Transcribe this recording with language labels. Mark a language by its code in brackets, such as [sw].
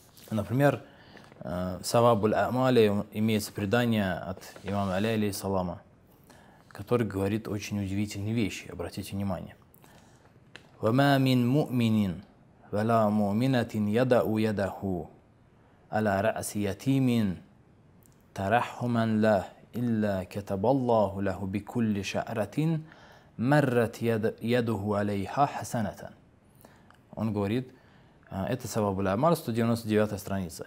[ru] Например, Савабуль Амали, имеется предание от имама Али алейхи салама, который говорит очень удивительные вещи. Обратите внимание. [ar] «Вама мин му'минин, вала му'минатин яда'у ядаху, аля ра'си ятимин, тарахуман ла». إلا كتب الله له بكل شعرة مرت يده عليها حسنة. [ru] Он говорит, это Савабуль Амаль, 199 страница.